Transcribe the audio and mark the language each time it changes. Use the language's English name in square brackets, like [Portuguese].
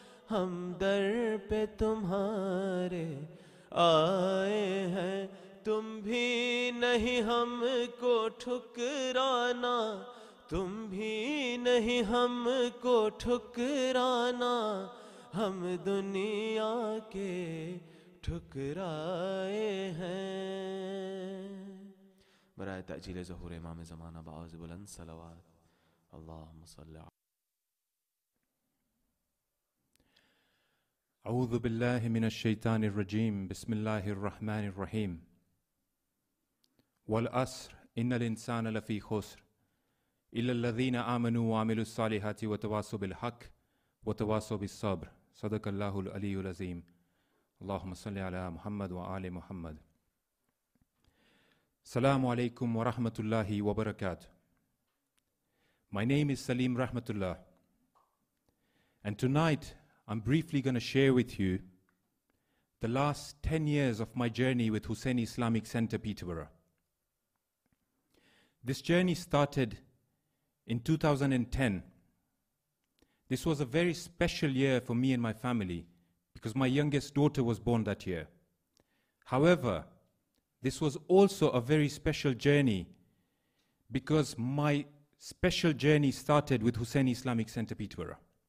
[Urdu] ہم در پہ تمہارے آئے ہیں، تم بھی نہیں ہم کو ٹھکرانا، تم بھی نہیں ہم کو ٹھکرانا، ہم دنیا کے ٹھکرائے ہیں۔ برائے تعجیل ظہور امام زمانہ باعث بلند صلوات، [Arabic] اللہم صلی اللہ۔ اعوذ باللہ من الشیطان الرجیم، بسم اللہ الرحمن الرحیم۔ والعصر ان الانسان لفی خسر الا الذین آمنوا وعملوا الصالحات وتواصوا بالحق وتواصوا بالصبر، صدق اللہ العلی العظیم۔ اللہم صلی علی محمد وآل محمد۔ السلام علیکم ورحمۃ اللہ وبرکاتہ۔ [English] My name is Saleem Rahmatullah, and tonight I'm briefly going to share with you the last 10 years of my journey with Hussaini Islamic Center Peterborough. This journey started in 2010. This was a very special year for me and my family because my youngest daughter was born that year. However, this was also a very special journey because my special journey started with Hussaini Islamic Center Peterborough.